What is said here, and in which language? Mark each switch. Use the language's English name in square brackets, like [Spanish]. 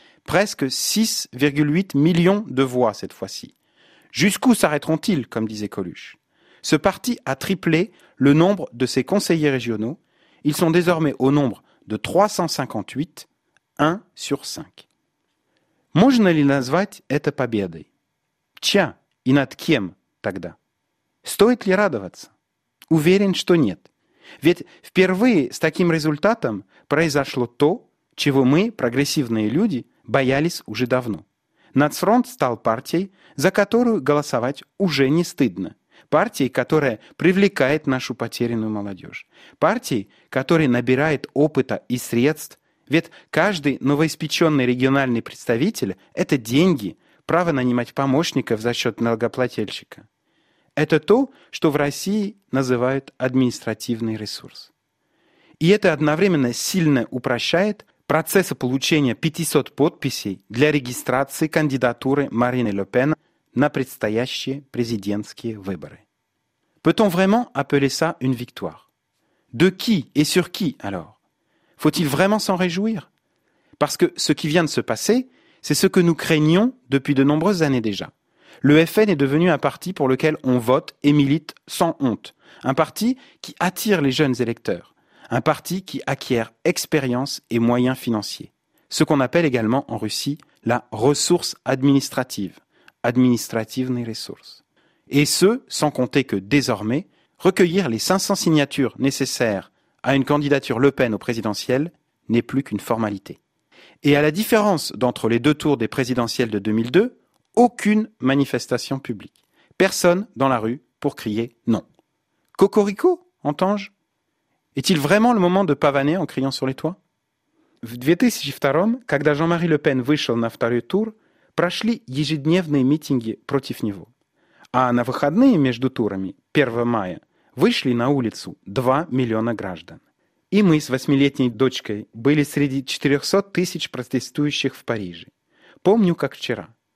[French] Presque 6,8 millions de voix cette fois-ci. Jusqu'où s'arrêteront-ils, comme disait Coluche? Ce parti a triplé le nombre de ses conseillers régionaux. Ils sont désormais au nombre de 358, 1 sur 5. [Russian] Можно ли назвать это победой? Чья и над кем тогда? Стоит ли радоваться? Уверен, что нет. Ведь впервые с таким результатом произошло то, чего мы, прогрессивные люди, боялись уже давно. Нацфронт стал партией, за которую голосовать уже не стыдно. Партией, которая привлекает нашу потерянную молодежь. Партией, которая набирает опыта и средств. Ведь каждый новоиспеченный региональный представитель – это деньги, право нанимать помощников за счет налогоплательщика. Это то, что в России называют административный ресурс. И это одновременно сильно упрощает процесс получения 500 подписей для регистрации кандидатуры Марины Ле Пен на предстоящие президентские выборы. [French] Peut-on vraiment appeler ça une victoire? De qui et sur qui, alors? Faut-il vraiment s'en réjouir? Parce que ce qui vient de se passer, c'est ce que nous craignions depuis de nombreuses années déjà. Le FN est devenu un parti pour lequel on vote et milite sans honte. Un parti qui attire les jeunes électeurs. Un parti qui acquiert expérience et moyens financiers. Ce qu'on appelle également en Russie la ressource administrative. Administrativne ressource. Et ce, sans compter que désormais, recueillir les 500 signatures nécessaires à une candidature Le Pen au présidentiel n'est plus qu'une formalité. Et à la différence d'entre les deux tours des présidentielles de 2002, aucune manifestation publique. Personne dans la rue pour crier non. Cocorico, entends-je? Est-il vraiment le moment de pavaner en criant sur les toits? [Russian] В 2002, когда Jean-Marie Le Pen вышел на второй тур, прошли ежедневные митинги против него. А на выходные между турами, 1 мая, вышли на улицу 2 миллиона граждан. И мы с 8-летней дочкой были среди 400 тысяч протестующих в Париже. Помню, как вчера.